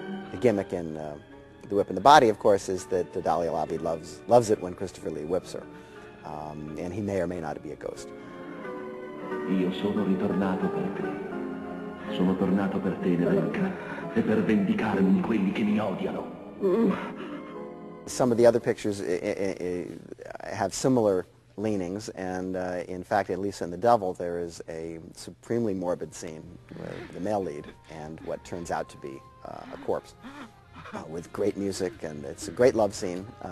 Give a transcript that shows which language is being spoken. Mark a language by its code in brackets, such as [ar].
[en] The gimmick in The Whip and the Body, of course, is that Dahlia Lavi loves it when Christopher Lee whips her, and he may or may not be a ghost. [it] Io sono ritornato per te. Sono tornato per te, Nelenka, e per vendicarmi quelli che mi odiano. [en] Some of the other pictures have similar leanings, and in fact, at least in The Devil, there is a supremely morbid scene with the male lead and what turns out to be a corpse with great music, and it's a great love scene.